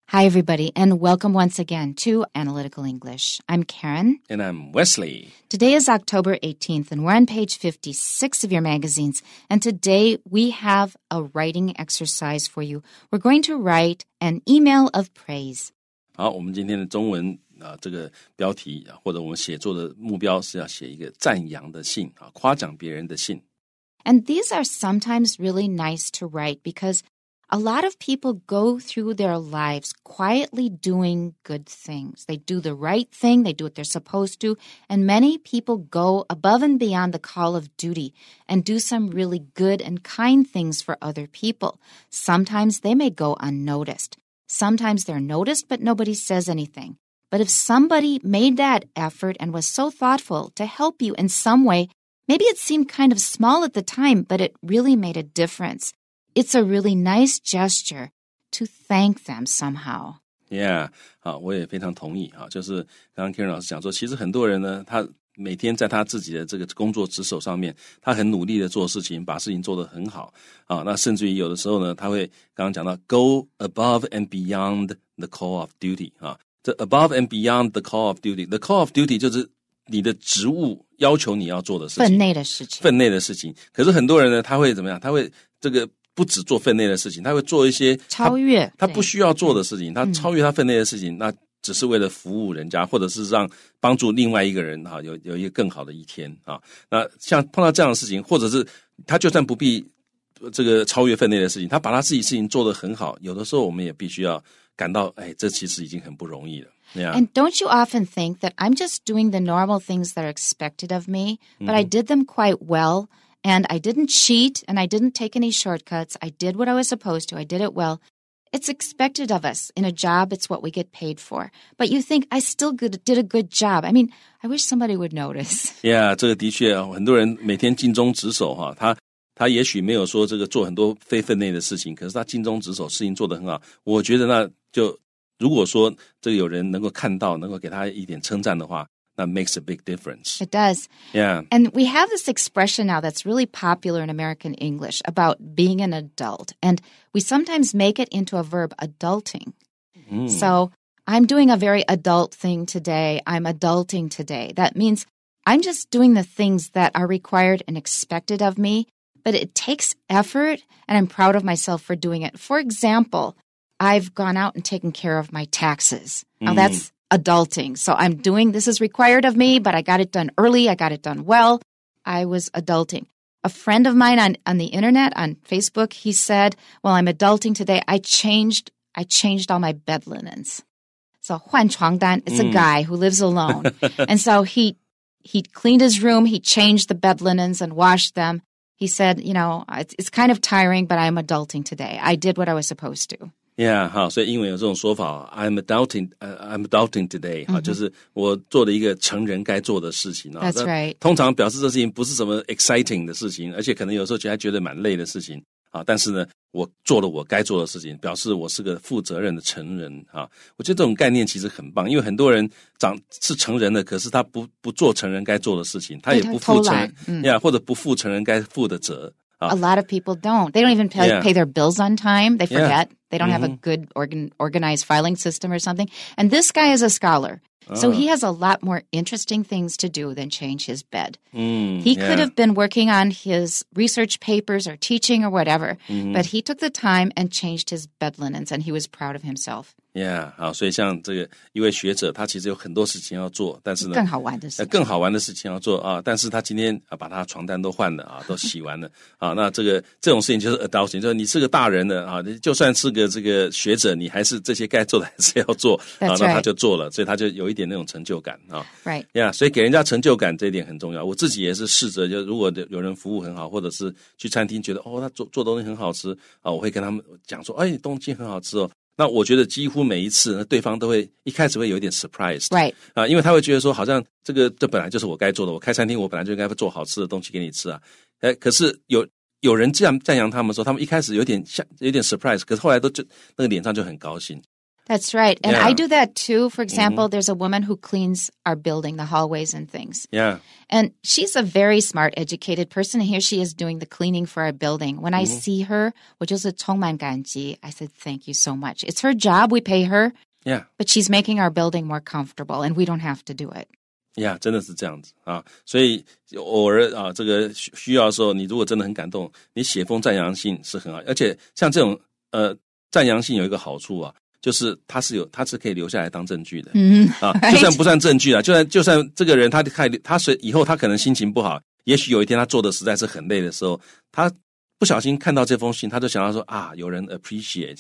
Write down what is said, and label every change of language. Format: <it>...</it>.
<en>Hi, everybody, and welcome once again to Analytical English. I'm Karen. And I'm Wesley. Today is October 18th, and we're on page 56 of your magazines. And today we have a writing exercise for you. We're going to write an email of praise.</en> <zh>好，我们今天的中文。这个标题或者我们写作的目标是要写一个赞扬的信夸奖别人的信。</zh> <en>And these are sometimes really nice to write because a lot of people go through their lives quietly doing good things. They do the right thing, they do what they're supposed to, and many people go above and beyond the call of duty and do some really good and kind things for other people. Sometimes they may go unnoticed. Sometimes they're noticed, but nobody says anything. But if somebody made that effort and was so thoughtful to help you in some way, maybe it seemed kind of small at the time, but it really made a difference. It's a really nice gesture to thank them somehow.</en> <zh>Yeah, 好，我也非常同意啊。就是刚刚 Karen 老师讲说，其实很多人呢，他每天在他自己的这个工作职守上面，他很努力的做事情，把事情做得很好啊。那甚至于有的时候呢，他会刚刚讲到</zh> <en>go above and beyond the call of duty</en> <zh>啊。</zh> <en>The above and beyond the call of duty. The call of duty</en> <zh>就是你的职务要求你要做的事情。分内的事情。分内的事情。可是很多人呢他会怎么样他会这个不只做分内的事情他会做一些。超越。他不需要做的事情他超越他分内的事情那只是为了服务人家或者是让帮助另外一个人有一个更好的一天。那像碰到这样的事情或者是他就算不必这个超越分内的事情他把他自己事情做得很好有的时候我们也必须要感到哎，这其实已经很不容易了。</zh> <en>Yeah. And don't you often think that I'm just doing the normal things that are expected of me, but I did them quite well, and I didn't cheat, and I didn't take any shortcuts. I did what I was supposed to. I did it well. It's expected of us. In a job, it's what we get paid for. But you think, I still did a good job. I mean, I wish somebody would notice.</en> <zh>Yeah, 这个的确，很多人每天尽忠职守哈，他也许没有说这个做很多非分内的事情，可是他尽忠职守，事情做得很好。我觉得那就如果说这个有人能够看到，能够给他一点称赞的话，那</zh> <en>makes a big difference. It does. Yeah. And we have this expression now that's really popular in American English about being an adult, and we sometimes make it into a verb, adulting. So I'm doing a very adult thing today. I'm adulting today. That means I'm just doing the things that are required and expected of me. But it takes effort, and I'm proud of myself for doing it. For example, I've gone out and taken care of my taxes. Now, that's adulting. So I'm doing, this is required of me, but I got it done early. I got it done well. I was adulting. A friend of mine on the internet, on Facebook, he said, well, I'm adulting today. I changed all my bed linens. So</en> <zh>换床单,</zh> <en>it's a guy who lives alone. And so he cleaned his room. He changed the bed linens and washed them. He said, you know, it's kind of tiring, but I'm adulting today. I did what I was supposed to.</en> <zh>Yeah, 好，所以英文有这种说法</zh> <en>I'm adulting today,、</en> <zh>mm-hmm. 就是我做了一个成人该做的事情。</zh> <en>That's right.</en> <zh>通常表示这事情不是什么 exciting 的事情，而且可能有时候觉得蛮累的事情。但是呢，我做了我该做的事情，表示我是个负责任的成人。我觉得这种概念其实很棒，因为很多人是成人的，可是他不做成人该做的事情，他也不负成人，或者不负成人该负的责。</zh> <en>A lot of people don't. They don't even pay their bills on time. They forget. Yeah. They don't have a good organized filing system or something. And this guy is a scholar. So he has a lot more interesting things to do than change his bed. He could have been working on his research papers or teaching or whatever. But he took the time and changed his bed linens and he was proud of himself. Yeah.</en> <zh>好，所以像这个一位学者他其实有很多事情要做但是呢更好玩的事情要做但是他今天把他床单都换了都洗完了那这种事情就是 adulting, 就是你是个大人的就算是个这个学者你还是这些该做的还是要做那他就做了所以他就有一点那种成就感</zh> <en>Right.</en> <zh>Yeah, 所以给人家成就感这一点很重要我自己也是试着就如果有人服务很好或者是去餐厅觉得他做东西很好吃我会跟他们讲说哎东西很好吃哦那我觉得几乎每一次对方都会一开始会有一点 surprised、</zh> <en>right.</en> <zh>因为他会觉得说好像这个这本来就是我该做的我开餐厅我本来就应该做好吃的东西给你吃可是有人这样赞扬他们说他们一开始有点 surprised 可是后来都就那个脸上就很高兴</zh> <en>That's right. And yeah. I do that too. For example, mm-hmm. there's a woman who cleans our building, the hallways and things. Yeah. And she's a very smart, educated person. And here she is doing the cleaning for our building. When mm-hmm. I see her,</en> <zh>我就是充满感激,</zh> <en>I said, thank you so much. It's her job. We pay her. Yeah. But she's making our building more comfortable and we don't have to do it.</en> <zh>Yeah, 真的是这样子。所以偶尔这个需要的时候，你如果真的很感动，你写封赞扬信是很好，而且像这种赞扬信有一个好处啊。就是它是可以留下来当证据的 mm-hmm. 啊，</zh> <en>right.</en> <zh>就算不算证据啊，就算这个人他以后他可能心情不好，也许有一天他做的实在是很累的时候，他不小心看到这封信，他就想到说啊，有人 appreciate</zh>